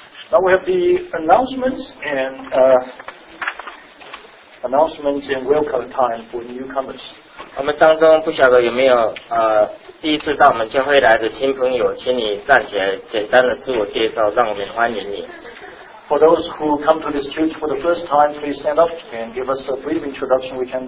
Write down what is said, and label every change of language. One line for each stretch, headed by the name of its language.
English: Now we have the announcements and announcements and welcome time for newcomers.
Chinese: 我们当中不晓得有没有第一次到我们教会来的新朋友，请你站起来简单的自我介绍，让我们欢迎你。
English: For those who come to this church for the first time, please stand up and give us a brief introduction.